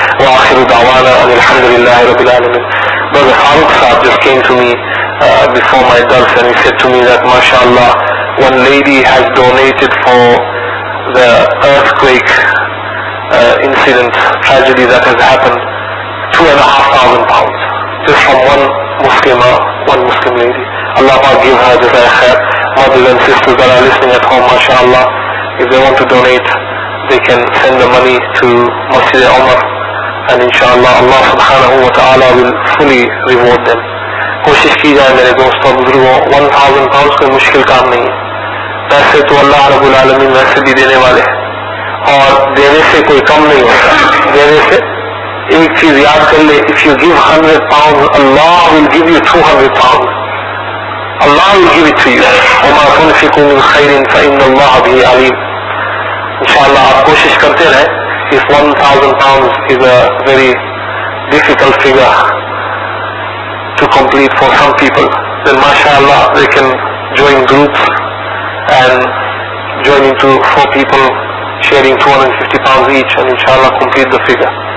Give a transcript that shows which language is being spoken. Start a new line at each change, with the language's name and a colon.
English: Wa akhiru da'wana and alhamdulillahi rabbil alamin. Brother Farooq Saab just came to me before my dars, and he said to me that mashallah, one lady has donated for the earthquake incident, tragedy that has happened, £2,500 just from one Muslim lady. Allah Pak give her this khair. Mothers and sisters that are listening at home, mashallah, if they want to donate, they can send the money to Masjid Omar, and inshallah Allah subhanahu wa ta'ala will fully reward them.
Urdu: کوشش کی جائے میرے دوست اور بزرگوں, 1,000 pounds کوئی مشکل کام نہیں ہے. پیسے تو اللہ رب العالمین ویسے بھی دینے والے ہیں, اور دینے سے کوئی کم نہیں ہوتا. دینے سے ایک چیز یاد کر لے,
English: if you give 100 pounds, Allah will give you 200 pounds. Allah will give it to you.
Arabic: وَمَا تُنْفِقُوا مِنْ خَيْرٍ فَإِنَّ اللَّهَ بِهِ عَلِيمٌ.
Urdu: انشاءاللہ آپ کوشش کرتے رہیں.
English: If 1,000 pounds is a very difficult figure to complete for some people, then mashallah they can join groups and join into 4 people sharing 250 pounds each and inshallah complete the figure.